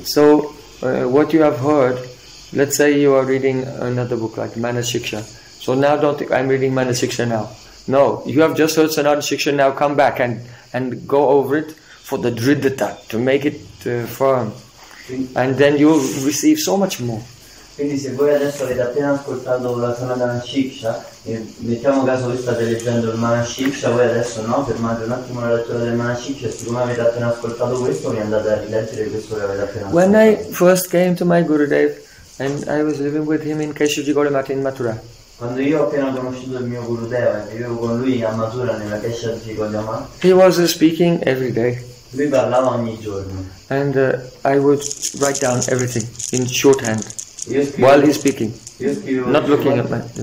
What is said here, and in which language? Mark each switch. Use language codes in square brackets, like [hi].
[en] So, what you have heard, let's say you are reading another book like Manasiksha. So now don't think I'm reading Manasiksha now. No, you have just heard Sanatana Shiksha, now come back and go over it for the dridhata, to make it firm. And then you will receive so much more. [it] Quindi se voi adesso avete appena ascoltato la Sanatana Shiksha, mettiamo caso voi state leggendo il Manasiksha, voi adesso no, fermate un attimo la lettura del Manasiksha, siccome avete appena ascoltato questo, mi andate a rileggere questo che avete appena [en] When When I first came to my Gurudev, and I was living with him in Keshavji Golimati in Mathura. [it] Quando io ho appena conosciuto il mio Gurudev, vivevo con lui a Mathura nella Keshavji Golimati. [en] He was speaking every day. [it] Lui parlava ogni giorno. [en] And I would write down everything in shorthand. While he's speaking, not looking at me.